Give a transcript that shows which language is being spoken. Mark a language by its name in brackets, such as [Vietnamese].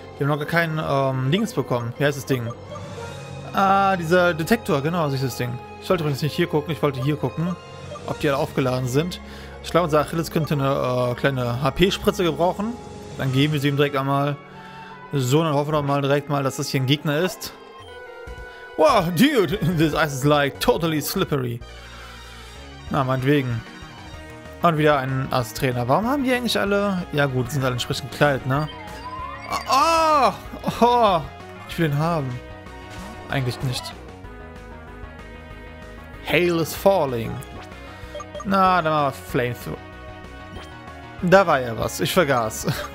[German] Wir haben noch gar keinen Dings bekommen. Wie heißt das Ding? Ah, dieser Detektor, genau, so ist das Ding. Ich wollte übrigens nicht hier gucken, ich wollte hier gucken, ob die alle aufgeladen sind. Ich glaube, unser Achilles könnte eine kleine HP-Spritze gebrauchen. Dann geben wir sie ihm direkt einmal. So, dann hoffen wir mal direkt mal, dass das hier ein Gegner ist. [English] Wow, dude, this ice is like totally slippery. [German] Na, meinetwegen. Und wieder ein Ass-Trainer. Warum haben die eigentlich alle... Ja gut, sind alle entsprechend gekleidet, ne? Oh, oh, ich will den haben. Eigentlich nicht. [English] Hail is falling. [German] Na, da war Flamethrower. Da war ja was. Ich vergaß.